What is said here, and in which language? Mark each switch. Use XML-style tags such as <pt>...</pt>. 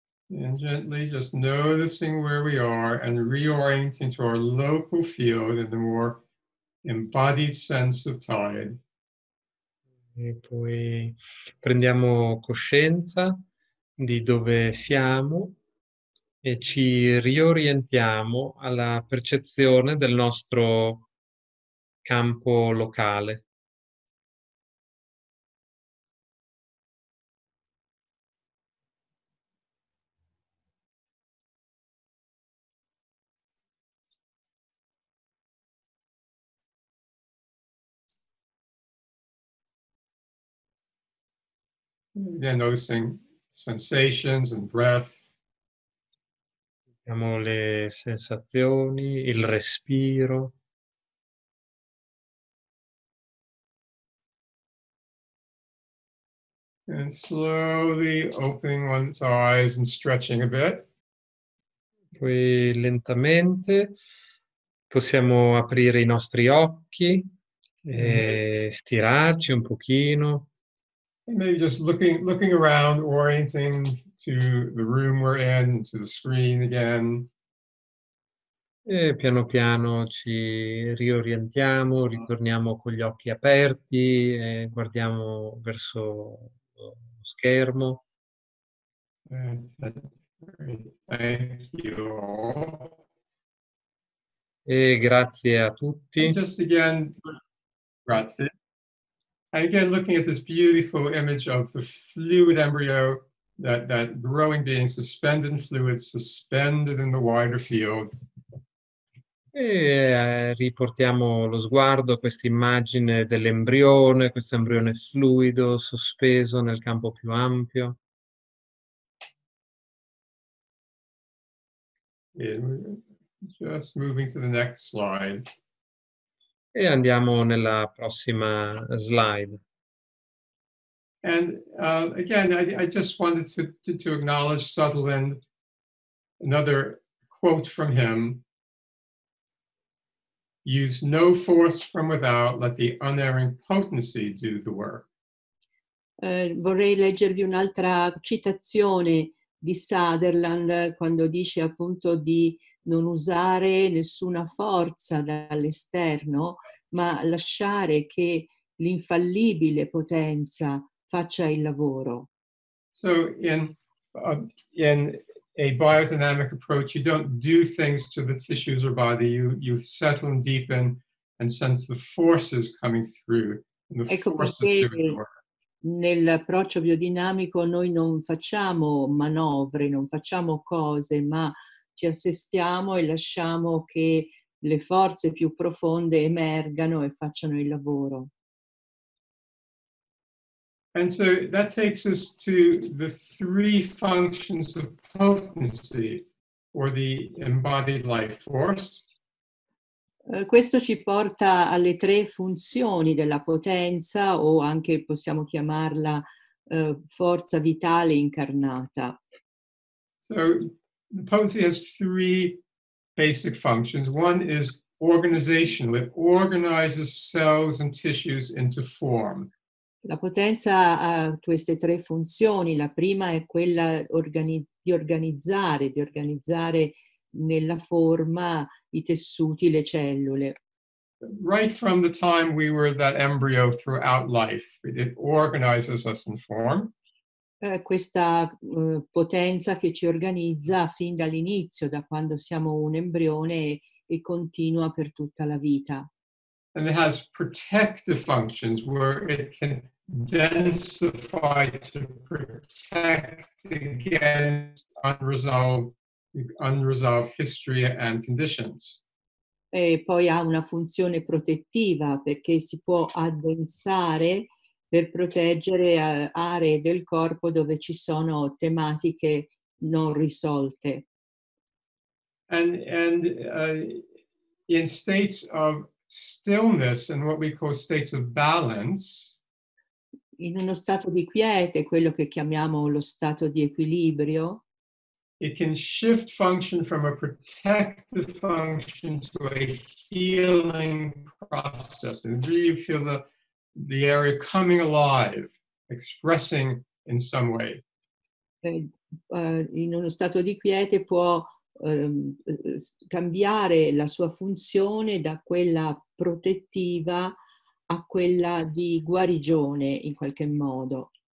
<en>And gently just noticing where we are and reorienting to our local field in the more embodied sense of tide.</en> <it>E poi prendiamo coscienza di dove siamo e ci riorientiamo alla percezione del nostro campo locale.</it> <en>Again, noticing sensations and breath.</en> <it>Vediamo le sensazioni, il respiro.</it> <en>And slowly opening one's eyes and stretching a bit.</en> <it>Poi lentamente possiamo aprire i nostri occhi e stirarci un pochino.</it> <en>Maybe just looking around, orienting to the room we're in, to the screen again.</en> <it>E piano piano ci riorientiamo, ritorniamo con gli occhi aperti e guardiamo verso lo schermo.</it> <en>Thank you.</en> <it>E grazie a tutti.</it> <en>And just again, grazie. And again, looking at this beautiful image of the fluid embryo, that growing being suspended in fluid, suspended in the wider field.</en> <it>Riportiamo lo sguardo a questa immagine dell'embrione, questo embrione fluido, sospeso nel campo più ampio.</it> <en>Just moving to the next slide.</en> <it>E andiamo nella prossima slide.</it> <en>And again, I just wanted to acknowledge Sutherland, another quote from him. Use no force from without, let the unerring potency do the work.</en> <it>Vorrei leggervi un'altra citazione di Sutherland quando dice appunto di non usare nessuna forza dall'esterno, ma lasciare che l'infallibile potenza faccia il lavoro.</it> <en>So in a biodynamic approach, you don't do things to the tissues or body, you settle and deepen and sense the forces coming through. And the</en> <it>ecco perché nell'approccio biodinamico noi non facciamo manovre, non facciamo cose, ma ci assestiamo e lasciamo che le forze più profonde emergano e facciano il lavoro.</it> <en>And so that takes us to the three functions of potency, or the embodied life force.</en> <it>Questo ci porta alle tre funzioni della potenza, o anche possiamo chiamarla forza vitale incarnata.</it> <en>So the potency has three basic functions. One is organizational, it organizes cells and tissues into form.</en> <it>La potenza ha queste tre funzioni. La prima è quella di organizzare nella forma i tessuti, le cellule.</it> <en>Right from the time we were that embryo throughout life, it organizes us in form.</en> <it>Questa potenza che ci organizza fin dall'inizio, da quando siamo un embrione, e continua per tutta la vita.</it> <en>And it has protective functions where it can densify to protect against unresolved history and conditions.</en> <it>E poi ha una funzione protettiva perché si può addensare per proteggere aree del corpo dove ci sono tematiche non risolte.</it> <en>And in states of stillness and what we call states of balance.</en> <it>In uno stato di quiete, quello che chiamiamo lo stato di equilibrio.</it> <en>It can shift function from a protective function to a healing process. And do you feel the area coming alive, expressing in some way?</en> <it>In uno stato di quiete può cambiare la sua funzione da quella protettiva a quella di guarigione in qualche modo.</it>